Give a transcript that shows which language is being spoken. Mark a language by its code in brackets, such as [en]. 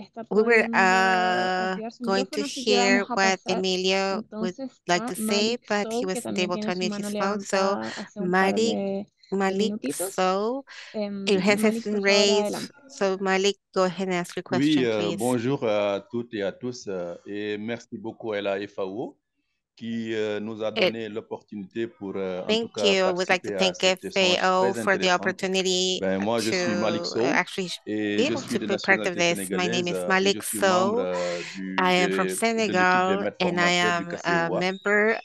[en] We were going to hear what Emilio would like to say, but he was able to unmute his phone. So Malik, so your hand has been raised. So Malik, go ahead and ask your question, [fr] oui, Bonjour à toutes et à tous, et merci beaucoup à la FAO qui nous a donné l'opportunité pour [en] thank [fr] en tout cas [en] you. We'd like to thank FAO for the opportunity to be part of this. My name is Malik So. I am from Senegal and I am a member